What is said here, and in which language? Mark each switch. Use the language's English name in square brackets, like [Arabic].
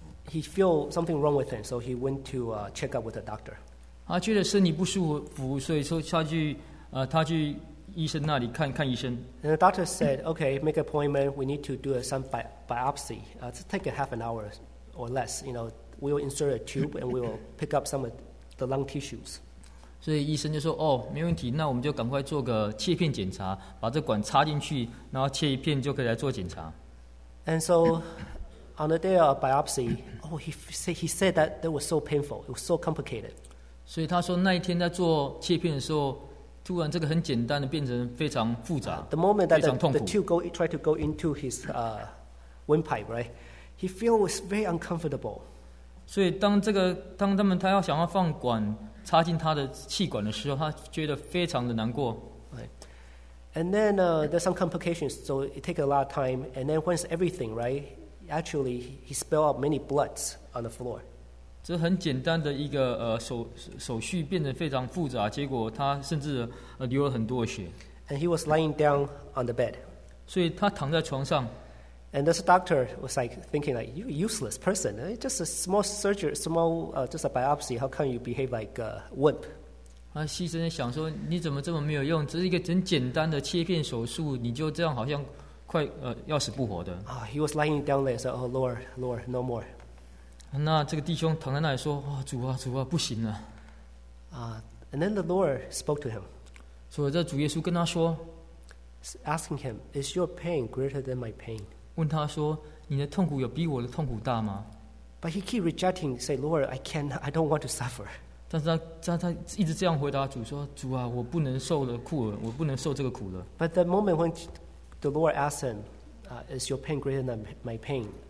[English] He feel something wrong with him, so he went to check up with a doctor. [Chinese] 他觉得身体不舒服，所以说他去医生那里看看医生。 [English] And the doctor said, "Okay, make an appointment. We need to do some biopsy. Take a half an hour or less, you know." We will insert a tube and we will pick up some of the lung tissues. [Chinese] 所以医生就说：“哦，没问题，那我们就赶快做个切片检查，把这管插进去，然后切一片就可以来做检查。” [English] And so, on the day of biopsy, he said that that was so painful, it was so complicated. [Chinese] 所以他说那一天在做切片的时候，突然这个很简单的变成非常复杂， [English] the moment that the tube tried to go into his windpipe, right? He feel was very uncomfortable. [Chinese] 所以当他们他要想要放管插进他的气管的时候，他觉得非常的难过。 [English] Right. And then there's some complications, so it takes a lot of time. And then once everything right, actually he spilled out many bloods on the floor. [Chinese] 这很简单的一个手续变得非常复杂，结果他甚至流了很多血。 [English] And he was lying down on the bed. [Chinese] 所以他躺在床上。 [English] And this doctor was like thinking, like, you useless person. Just a small surgery, just a biopsy. How come you behave like a wimp? [Chinese] 啊，医生想说你怎么这么没有用？这是一个很简单的切片手术，你就这样好像快要死不活的。 [English] He was lying down there, said, "Oh Lord, Lord, no more." [Chinese] 那这个弟兄躺在那里说：“哇，主啊，主啊，不行了。 [English] ”And then the Lord spoke to him. [Chinese] 所以这主耶稣跟他说 [English] asking him, "Is your pain greater than my pain?" [Chinese] 问他说，你的痛苦有比我的痛苦大吗？ [English] But he keep rejecting, say, "Lord, I cannot. I don't want to suffer." [Chinese] 但是他一直这样回答主说，主啊，我不能受了苦了，我不能受这个苦了。 [English] But the moment when the Lord asked him, "Is your pain greater than my pain?"